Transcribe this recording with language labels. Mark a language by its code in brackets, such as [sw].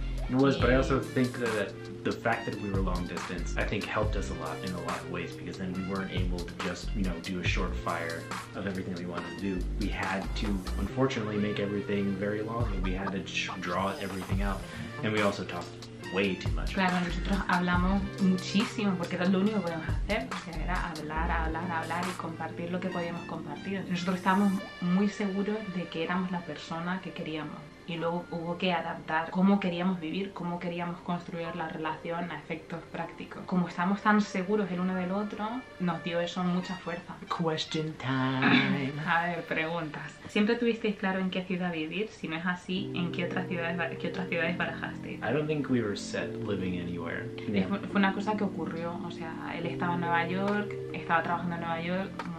[en] It was, but I also think that the fact that we were long distance, I think, helped us a lot in a lot of ways, because then we weren't able to just, you know, do a short fire of everything that we wanted to do. We had to, unfortunately, make everything very long, and we had to draw everything out, and we also talked way too much. [es] Claro, nosotros hablamos muchísimo porque era lo único que podíamos hacer, o sea, era hablar, hablar, hablar y compartir lo que podíamos compartir. Nosotros estábamos muy seguros de que éramos la persona que queríamos. Y luego hubo que adaptar cómo queríamos vivir, cómo queríamos construir la relación a efectos prácticos. Como estamos tan seguros el uno del otro, nos dio eso mucha fuerza. [en] Question time. [es] A ver, preguntas. ¿Siempre tuvisteis claro en qué ciudad vivir? Si no es así, ¿en qué otras ciudades barajasteis? [en] I don't think we were set living anywhere. [es] Fue una cosa que ocurrió. O sea, él estaba en Nueva York, estaba trabajando en Nueva York.